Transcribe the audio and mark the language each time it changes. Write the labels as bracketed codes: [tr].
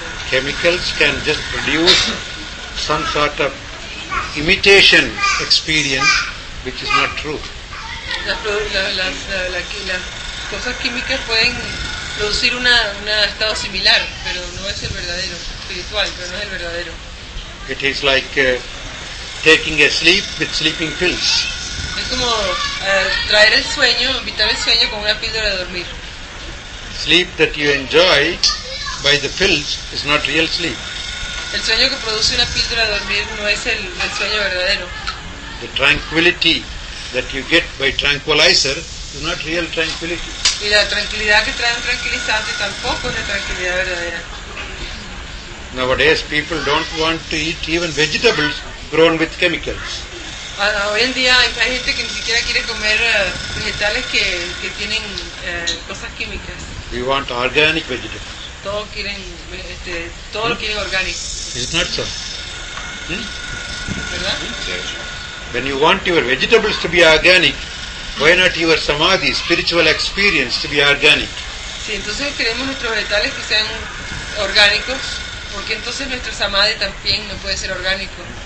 [en] Chemicals can just produce some sort of imitation experience, which is not true. [es] Las cosas químicas pueden producir un estado similar, pero no es el verdadero espiritual, pero no es el verdadero. [en] It is like taking a sleep with sleeping pills. [es] Es como traer el sueño, evitar el sueño con una píldora de dormir. [en] Sleep that you enjoy by the pills is not real sleep. [es] El sueño que produce una píldora de dormir no es el sueño verdadero. [en] The tranquility that you get by tranquilizer is not real tranquility. [es] Y la tranquilidad que trae un tranquilizante tampoco es la tranquilidad verdadera. [en] Nowadays people don't want to eat even vegetables grown with chemicals. [es] Hoy en día hay gente que ni siquiera quiere comer vegetales que tienen cosas químicas. [en] We want organic vegetables. [es] Todo quieren, todo lo quieren orgánico. [en] Is it not so? [es] ¿Verdad? [en] When you want your vegetables to be organic, why not your samadhi, spiritual experience, to be organic? [es] Sí, entonces queremos nuestros vegetales que sean orgánicos, porque entonces nuestro samadhi también no puede ser orgánico.